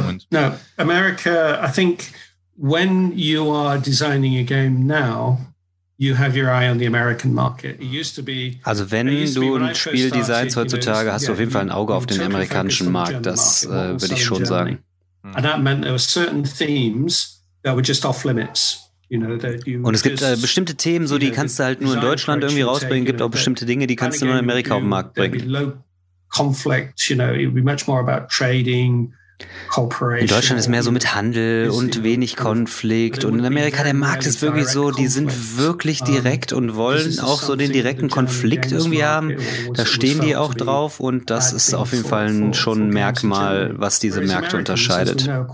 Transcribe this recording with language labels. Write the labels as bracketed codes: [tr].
[en] No, America, I think when you are designing a game now, you have your eye on the American market. It used to be. [de] Also wenn du ein Spiel designst heutzutage, hast du auf jeden Fall ein Auge auf den amerikanischen Markt. Das würde ich schon sagen. [en] And that meant there were certain themes that were just off limits. [de] Und es gibt bestimmte Themen, so die kannst du halt nur in Deutschland irgendwie rausbringen. Gibt auch bestimmte Dinge, die kannst du nur in Amerika auf den Markt bringen. [en] Conflict, you know, it would be much more about trading. [de] In Deutschland ist mehr so mit Handel und wenig Konflikt und in Amerika, der Markt ist wirklich so, die sind wirklich direkt und wollen auch so den direkten Konflikt irgendwie haben, da stehen die auch drauf und das ist auf jeden Fall schon ein Merkmal, was diese Märkte unterscheidet.